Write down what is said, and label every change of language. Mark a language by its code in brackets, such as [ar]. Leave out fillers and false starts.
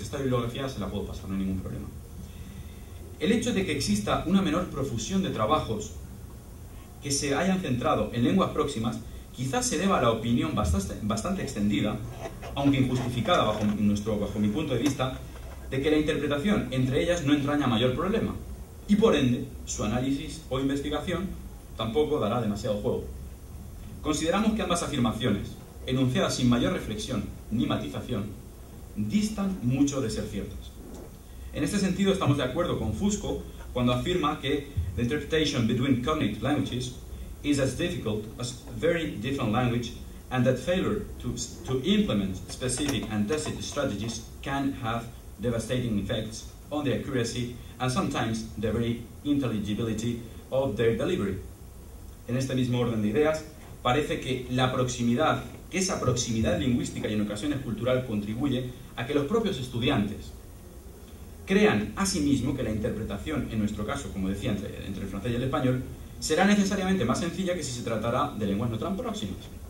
[es] Esta bibliografía se la puedo pasar, no hay ningún problema. El hecho de que exista una menor profusión de trabajos que se hayan centrado en lenguas próximas quizás se deba a la opinión bastante extendida, aunque injustificada bajo mi punto de vista, de que la interpretación entre ellas no entraña mayor problema. Y por ende, su análisis o investigación tampoco dará demasiado juego. Consideramos que ambas afirmaciones, enunciadas sin mayor reflexión ni matización, distan mucho de ser ciertas. En este sentido, estamos de acuerdo con Fusco cuando afirma que [en] the interpretation between cognate languages is as difficult as very different language and that failure to implement specific and tested strategies can have devastating effects on the accuracy and sometimes the very intelligibility of their delivery. [es] En este mismo orden de ideas, parece que la proximidad, que esa proximidad lingüística y en ocasiones cultural contribuye a que los propios estudiantes crean asimismo que la interpretación, en nuestro caso, como decía, entre el francés y el español, será necesariamente más sencilla que si se tratara de lenguas neutras próximas.